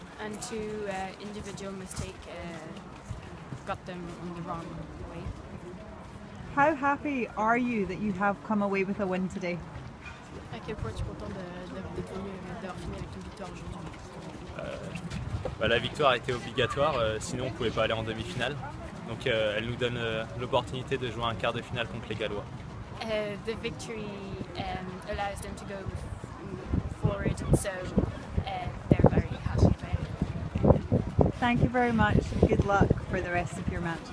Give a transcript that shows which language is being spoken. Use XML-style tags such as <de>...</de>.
<en>And two individual mistakes got them on the wrong way. How happy are you that you have come away with a win today?</en> <fr>À quel point tu es content d'avoir fini avec une victoire aujourd'hui? La victoire a été obligatoire, sinon on ne pouvait pas aller en demi-finale. Donc elle nous donne l'opportunité de jouer un quart de finale contre les Gallois.</fr> <en>The victory allows them to go forward, so they're very happy about it. Thank you very much and good luck for the rest of your matches.</en>